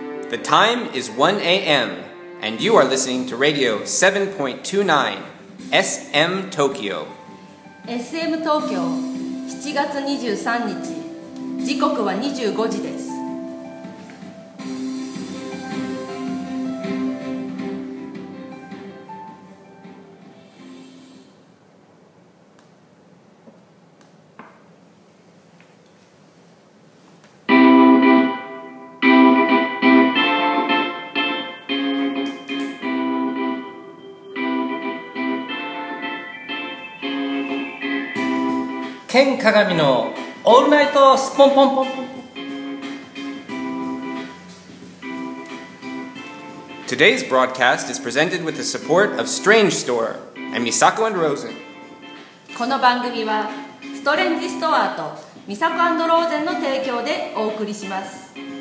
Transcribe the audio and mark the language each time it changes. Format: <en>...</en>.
<en>The time is 1 a.m., and you are listening to Radio 7.29 SM Tokyo.</en> <ja>SM Tokyo, 7月23日、時刻は25時です。ケン鏡のオールナイトスポンポンポン。</ja> <en>Today's broadcast is presented with the support of Strange Store and Misako and Rosen.</en> <ja>この番組はストレンジストアとミサコ&ローゼンの提供でお送りします。</ja>